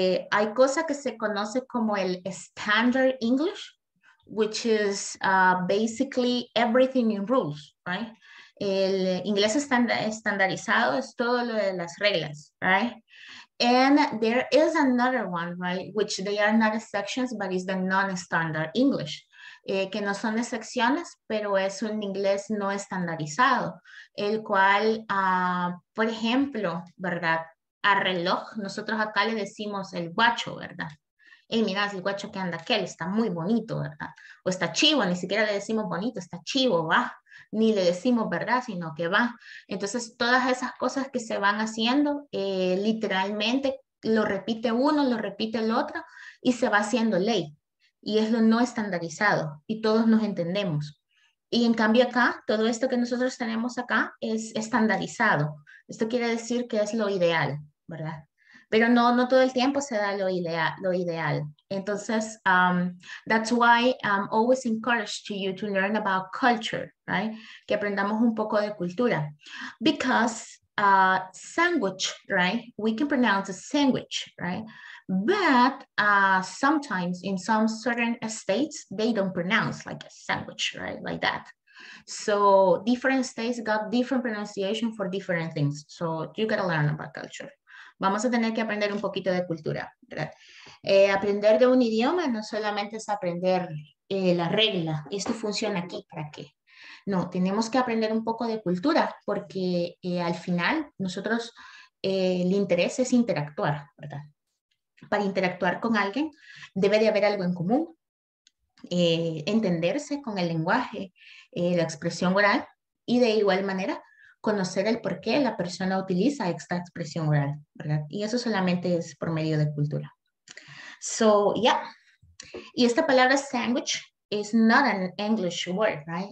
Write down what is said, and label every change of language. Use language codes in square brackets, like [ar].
[es] hay cosa que se conoce como el standard English, [en] which is basically everything in rules, right? [es] El inglés estandarizado es todo lo de las reglas, right? [en] And there is another one, right? Which they are not exceptions, but is the non-standard English. [es] Que no son excepciones, pero es un inglés no estandarizado, el cual, por ejemplo, ¿verdad? A reloj, nosotros acá le decimos el guacho, ¿verdad? Hey, mira, el guacho que anda aquel, está muy bonito, ¿verdad? O está chivo, ni siquiera le decimos bonito, está chivo, va. Ni le decimos verdad, sino que va. Entonces, todas esas cosas que se van haciendo, literalmente lo repite uno, lo repite el otro, y se va haciendo ley. Y es lo no estandarizado, y todos nos entendemos. Y en cambio acá, todo esto que nosotros tenemos acá es estandarizado. Esto quiere decir que es lo ideal, ¿verdad? Pero no, no todo el tiempo se da lo ideal. [en] Entonces, that's why I'm always encouraged to you to learn about culture, right? [es] Que aprendamos un poco de cultura. [en] Because sandwich, right? We can pronounce a sandwich, right? But sometimes in some certain states, they don't pronounce like a sandwich, right? Like that. So different states got different pronunciation for different things. So you gotta learn about culture. [es] Vamos a tener que aprender un poquito de cultura, ¿verdad? Aprender de un idioma no solamente es aprender la regla. Esto funciona aquí, ¿para qué? No, tenemos que aprender un poco de cultura porque al final nosotros el interés es interactuar, ¿verdad? Para interactuar con alguien debe de haber algo en común, entenderse con el lenguaje, la expresión oral y de igual manera conocer el por qué la persona utiliza esta expresión oral, ¿verdad? Y eso solamente es por medio de cultura. [en] So, yeah. [es] Y esta palabra [en] sandwich is not an English word, right?